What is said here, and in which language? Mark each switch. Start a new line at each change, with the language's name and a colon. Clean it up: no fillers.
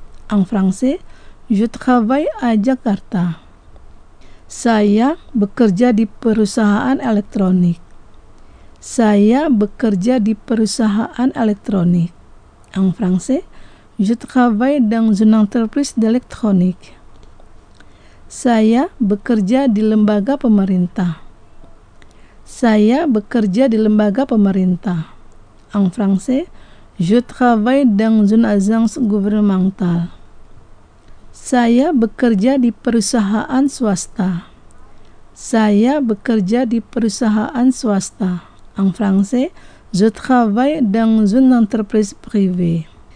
French: En français, je travaille à Jakarta.
Indonesian: Saya bekerja di perusahaan elektronik. Saya bekerja di perusahaan elektronik.
French: En français, je travaille dans une entreprise d'électronique.
Indonesian: Saya bekerja di lembaga pemerintah. Saya bekerja di lembaga pemerintah.
French: En français, je travaille dans une agence gouvernementale.
Indonesian: Saya bekerja di perusahaan swasta. Saya bekerja di perusahaan swasta.
French: En français, je travaille dans une entreprise privée.